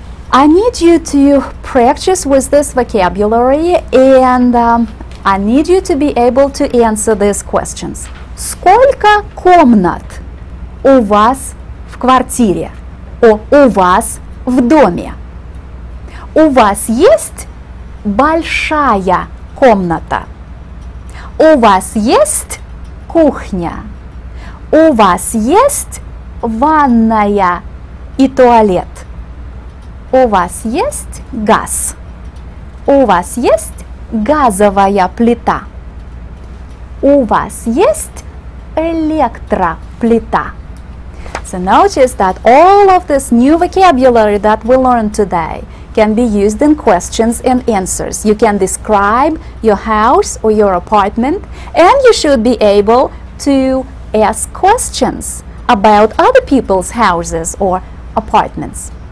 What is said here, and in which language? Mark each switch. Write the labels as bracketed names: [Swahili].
[English] I need you to practice with this vocabulary and I need you to be able to answer these questions. [Russian] Сколько комнат у вас в квартире? У вас в доме? У вас есть большая комната? У вас есть кухня? У вас есть ванная и туалет? У вас есть газ? У вас есть газовая плита? У вас есть электроплита? [English] So notice that all of this new vocabulary that we learned today can be used in questions and answers. You can describe your house or your apartment, and you should be able to ask questions about other people's houses or apartments.